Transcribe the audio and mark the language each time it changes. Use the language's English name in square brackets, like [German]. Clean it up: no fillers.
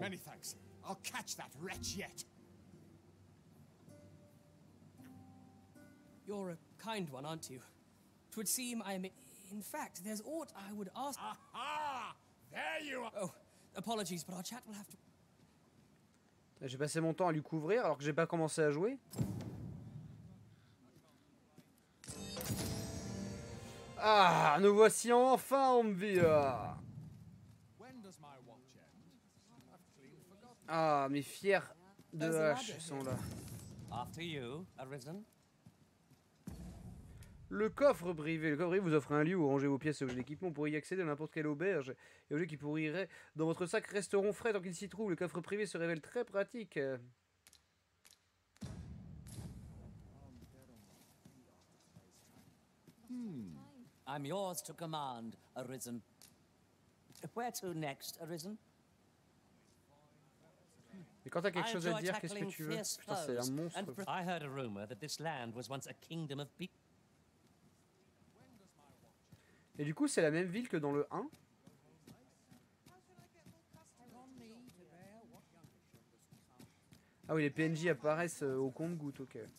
[English] Many thanks. I'll catch that wretch yet. You're a kind one, aren't you? T'would seem I am... In fact, there's aught I would ask... Aha! There you are! Oh, apologies, but our chat will have to... [French] J'ai passé mon temps à lui couvrir alors que j'ai pas commencé à jouer. Ah, nous voici enfin en vie. Ah, mes fiers de hache sont là. [English] After you, Arisen. [French] Le coffre privé vous offre un lieu où ranger vos pièces et objets d'équipement. Vous pourrez y accéder à n'importe quelle auberge. Et objets qui pourriraient dans votre sac resteront frais tant qu'ils s'y trouvent. Le coffre privé se révèle très pratique. [English] I'm yours to command, Arisen. Where to next, Arisen? [French] Et quand t'as quelque chose à dire, qu'est-ce que tu veux? Putain, c'est un monstre. [English] I heard a rumor that this land was once a kingdom of people. [French] Et du coup, c'est la même ville que dans le 1. Ah oui, les PNJ apparaissent au compte-gouttes, ok.